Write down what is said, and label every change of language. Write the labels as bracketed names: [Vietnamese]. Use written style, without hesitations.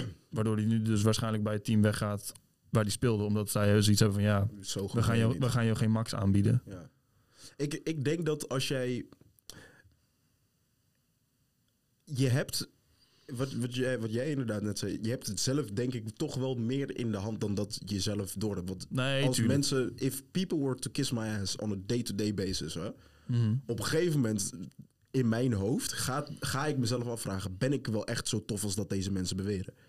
[Dutch] Waardoor hij nu dus waarschijnlijk bij het team weggaat waar hij speelde, omdat zij dus iets hebben van ja, zo goed we gaan jou geen max aanbieden. Ja. Ik denk dat als jij je hebt wat jij inderdaad net zei, je hebt het zelf denk ik toch wel meer in de hand dan dat je zelf door hebt. Want nee, als tuurlijk. Mensen, [English] if people were to kiss my ass on a day-to-day basis, hè, mm-hmm, [Dutch] op een gegeven moment in mijn hoofd ga ik mezelf afvragen, ben ik wel echt zo tof als dat deze mensen beweren?